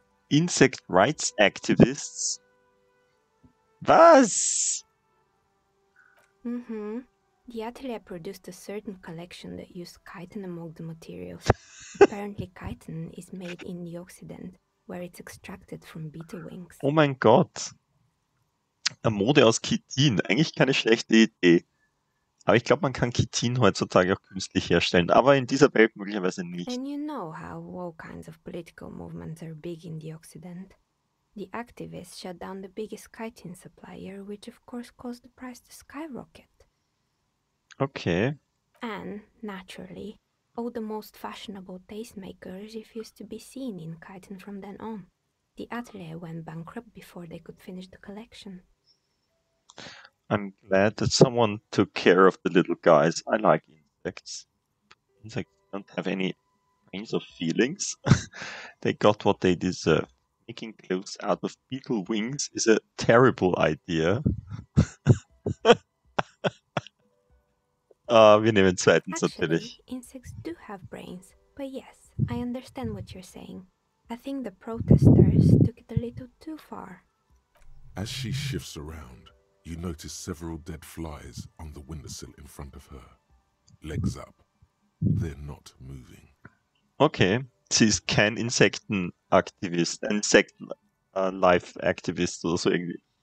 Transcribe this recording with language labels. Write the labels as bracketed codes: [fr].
[en] Insect rights activists? [de] Was? [en] Mm-hmm. The atelier produced a certain collection that used chitin among the materials. Apparently chitin is made in the Occident, where it's extracted from beetle wings. [de] Oh mein Gott! A Mode aus Chitin, eigentlich keine schlechte Idee. Aber ich glaube, man kann Chitin heutzutage auch künstlich herstellen, aber in dieser Welt möglicherweise nicht. [en] And you know how all kinds of political movements are big in the Occident. The activists shut down the biggest chitin supplier, which of course caused the price to skyrocket. Okay. And, naturally, all the most fashionable tastemakers refused to be seen in chitin from then on. The atelier went bankrupt before they could finish the collection. I'm glad that someone took care of the little guys. I like insects. Insects don't have any brains or feelings. They got what they deserve. Making clothes out of beetle wings is a terrible idea. [de] wir nehmen zweitens natürlich. [en] Actually, insects do have brains. But yes, I understand what you're saying. I think the protesters took it a little too far. As she shifts around, you notice several dead flies on the windowsill in front of her. Legs up. They're not moving. [de] Okay, sie ist kein Insektenaktivist, Insect-Life-Aktivist oder so irgendwie.